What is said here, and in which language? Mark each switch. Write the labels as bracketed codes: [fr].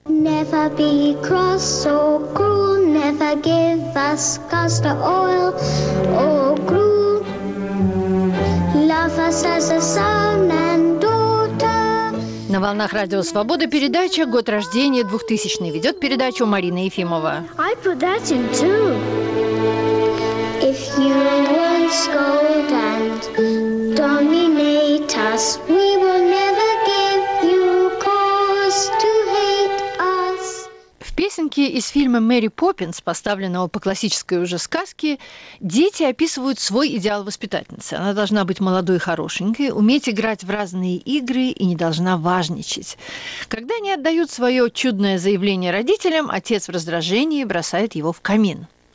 [en] Never be cross or cruel, never give us castor oil or gruel. Love us as a son and daughter. [ru] На волнах радио «Свобода» передача «Год рождения 2000-й». Ведет передачу Марина Ефимова. [en] I put that in too. If you won't scold and dominate us, we will never give you cause to hate us. [ru] В песенке из фильма «Мэри Поппинс», поставленного по классической уже сказке, дети описывают свой идеал воспитательницы. Она должна быть молодой и хорошенькой, уметь играть в разные игры и не должна важничать. Когда они отдают свое чудное заявление родителям, отец в раздражении бросает его в камин.